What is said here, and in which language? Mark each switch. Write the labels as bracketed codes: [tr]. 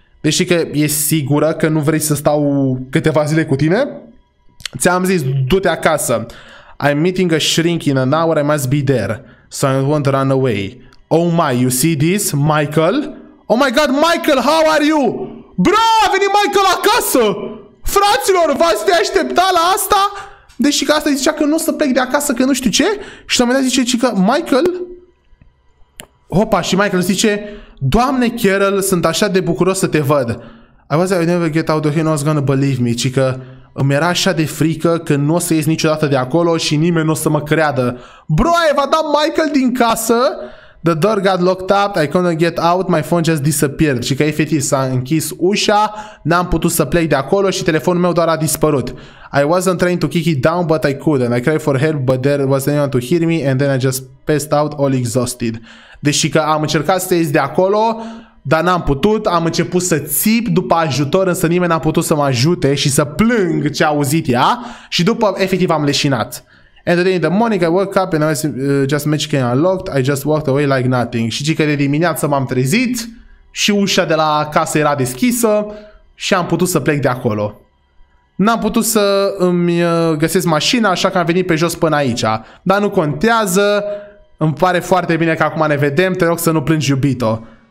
[ro] Deși că e sigură că nu vrei să stau câteva zile cu tine? Ți-am zis, du-te acasă. [en] I'm meeting a shrink in an hour, I must be there. So I won't run away. Oh my, you see this? Michael? Oh my God, Michael, how are you? [ro] Bro, a venit Michael acasă! Fraților, v-ați de aștepta la asta? Deși că asta îi zicea că nu o să plec de acasă, că nu știu ce. Și la un moment dat zice că Michael... Hopa, și Michael zice... Doamne, Carol, sunt așa de bucuros să te văd. [en] I was like, I never get out of here, no one's gonna believe me. [ro] Și că îmi era așa de frică că nu o să ies niciodată de acolo și nimeni nu o să mă creadă. Bro, ai evadat Michael din casă? [en] The door got locked up, I couldn't get out, my phone just disappeared. [ro] Și că efectiv s-a închis ușa, n-am putut să plec de acolo și telefonul meu doar a dispărut. [en] I wasn't trying to kick it down, but I couldn't. I cried for help, but there wasn't anyone to hear me and then I just passed out all exhausted. [ro] Deși că am încercat să ies de acolo, dar n-am putut, am început să țip după ajutor, însă nimeni n-a putut să mă ajute și să plâng ce a auzit ea și după efectiv am leșinat. [en] And the day in the morning I woke up and I was just magically unlocked, I just walked away like nothing. [ro] Și zic că de dimineață m-am trezit și ușa de la casă era deschisă și am putut să plec de acolo. N-am putut să îmi găsesc mașina, așa că am venit pe jos până aici. Dar nu contează, îmi pare foarte bine că acum ne vedem, te rog să nu plângi, iubito.